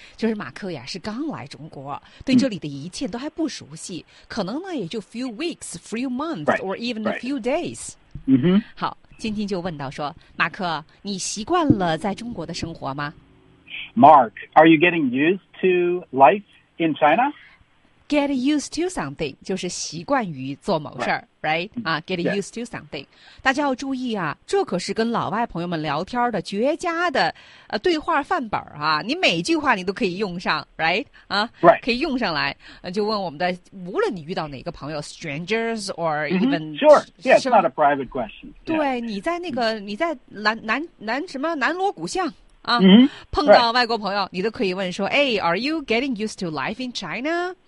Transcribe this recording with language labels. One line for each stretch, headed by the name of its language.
Chinese: 就是马克呀是刚来中国对这里的一切都还不熟悉、mm. 可能呢也就
English: few weeks, few months,、 right. or even、 right. a few days、 mm-hmm.
Chinese: 好今天就问到说马克你习惯了在中国的生活吗
English: Mark, are you getting used to life in China? Get used to something,
Chinese: 就是习惯于做某事儿。
English: Right. Right? Get used to something.、Yeah.
Chinese: 大家要注意啊这可是跟老外朋友们聊天的绝佳的、对话范本啊你每句话你都可以用上 right?、
English: Right.
Chinese: 可以用上来、就问我们的无论你遇到哪个朋友
English: strangers or even...、 Mm-hmm. Sure, yeah, it's not a private question.、Yeah.
Chinese: 对你在那个你在南什么南锣鼓巷啊、 mm-hmm. 碰到外国朋友、
English: right.
Chinese: 你都可以问说
English: hey, are you getting used to life in China?